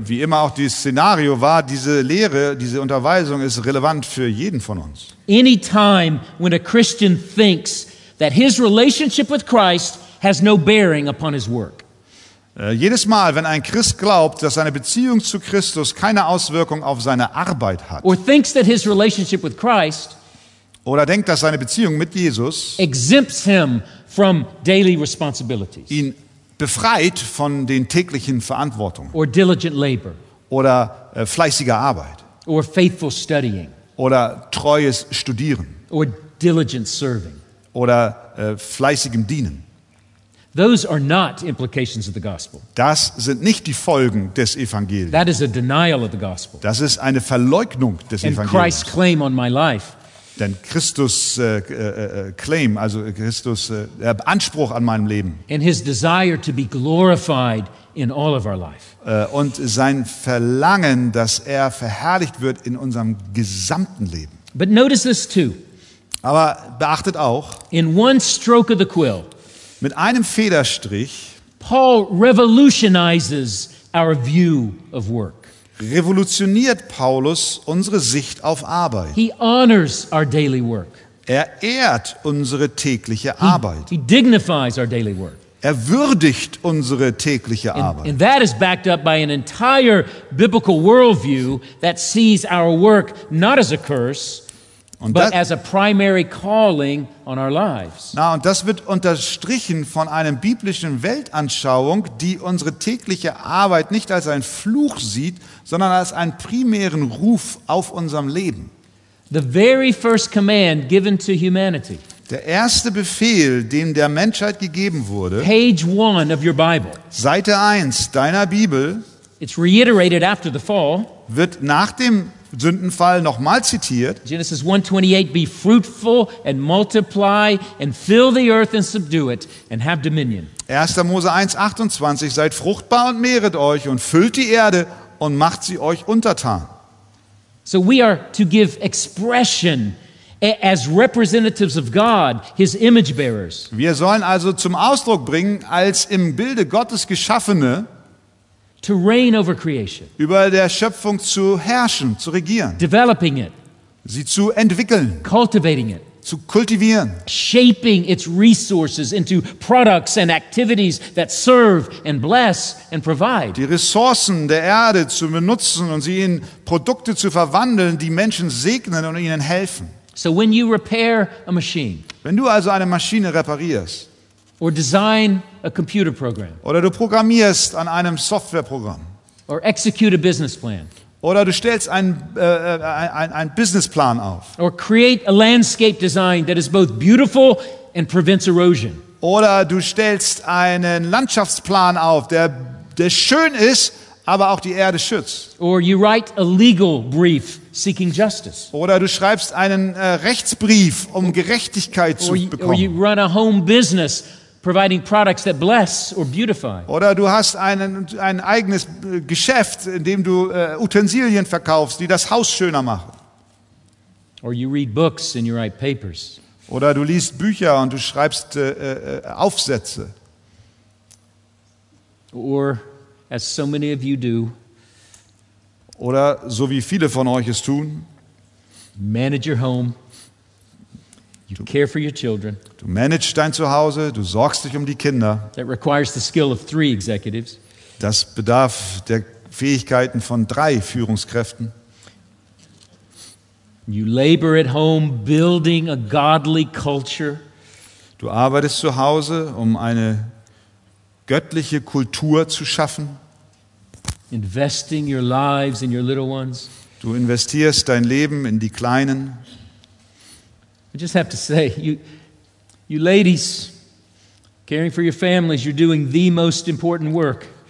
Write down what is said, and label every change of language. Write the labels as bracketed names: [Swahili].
[German] Wie immer auch dieses Szenario war, diese Lehre, diese Unterweisung ist relevant für jeden von uns. [English] Any time when a Christian thinks that his relationship with Christ has no bearing upon his work. [German] Jedes Mal, wenn ein Christ glaubt, dass seine Beziehung zu Christus keine Auswirkung auf seine Arbeit hat, [English] or thinks that his relationship with Christ, [German] oder denkt, dass seine Beziehung mit Jesus [English] exempts him from daily responsibilities, [German] ihn befreit von den täglichen Verantwortungen, [English] or diligent labor, [German] oder fleißiger Arbeit, [English] or faithful studying, [German] oder treues Studieren, [English] or diligent serving, [German] oder fleißigem Dienen. [English] Those are not implications of the gospel. [German] Das sind nicht die Folgen des Evangeliums. [English] That is a denial of the gospel. [German] Das ist eine Verleugnung des Evangeliums. [English] And Christ's claim on my life. [German] Denn Christus claim, also Christus Anspruch an meinem Leben. [English] And his desire to be glorified in all of our life. [German] Und sein Verlangen, dass er verherrlicht wird in unserem gesamten Leben. [English] But notice this too. [German] Aber beachtet auch. [English] In one stroke of the quill. [German] Mit einem Federstrich. [English] Paul revolutionizes our view of work. [German] Revolutioniert Paulus unsere Sicht auf Arbeit. [English] He honors our daily work. [German] Er ehrt unsere tägliche Arbeit. [English] He dignifies our daily work. [German] Er würdigt unsere tägliche Arbeit. [English] And that is backed up by an entire biblical worldview that sees our work not as a curse. [German] Und [English] but as a primary calling on our lives. [German] Na, und das wird unterstrichen von einem biblischen Weltanschauung, die unsere tägliche Arbeit nicht als einen Fluch sieht, sondern als einen primären Ruf auf unserem Leben. [English] The very first command given to humanity. [German] Der erste Befehl, den der Menschheit gegeben wurde. [English] Page 1 of your Bible. [German] Seite 1 deiner Bibel. [English] It's reiterated after the fall. [German] Wird nach dem Sündenfall nochmal zitiert. [English] Genesis 1:28, be fruitful and multiply and fill the earth and subdue it and have dominion. [German] 1. Mose 1:28, seid fruchtbar und mehret euch und füllt die Erde und macht sie euch untertan. [English] So we are to give expression as representatives of God, his image bearers. [German] Wir sollen also zum Ausdruck bringen, als im Bilde Gottes geschaffene, [English] to reign over creation, [German] über der Schöpfung zu herrschen, zu regieren, [English] developing it, [German] sie zu entwickeln, [English] cultivating it, [German] zu kultivieren, [English] shaping its resources into products and activities that serve and bless and provide, [German] die Ressourcen der Erde zu benutzen und sie in Produkte zu verwandeln, die Menschen segnen und ihnen helfen. [English] So when you repair a machine, [German] wenn du also eine Maschine reparierst, [English] or design a computer program. [German] Oder du programmierst an einem Softwareprogramm. [English] Or execute a business plan. [German] Oder du stellst einen Businessplan auf. [English] Or create a landscape design that is both beautiful and prevents erosion. [German] Oder du stellst einen Landschaftsplan auf, der schön ist, aber auch die Erde schützt. [English] Or you write a legal brief seeking justice. [German] Oder du schreibst einen Rechtsbrief, um Gerechtigkeit zu bekommen. [English] Or you run a home business providing products that bless or beautify. [German] Oder du hast ein eigenes Geschäft, in dem du Utensilien verkaufst, die das Haus schöner machen. [English] Or you read books and you write papers. [German] Oder du liest Bücher und du schreibst Aufsätze. [English] Or as so many of you do. [German] Oder so wie viele von euch es tun. [English] Manage your home. You care for your children. [German] Du managst dein Zuhause, du sorgst dich um die Kinder. [English] That requires the skill of three executives. [German] Das bedarf der Fähigkeiten von drei Führungskräften. [English] You labor at home building a godly culture. [German] Du arbeitest zu Hause, um eine göttliche Kultur zu schaffen. [English] Investing your lives in your little ones. [German] Du investierst dein Leben in die Kleinen. [English] I just have to say, you ladies, caring for your families, you're doing the most important work.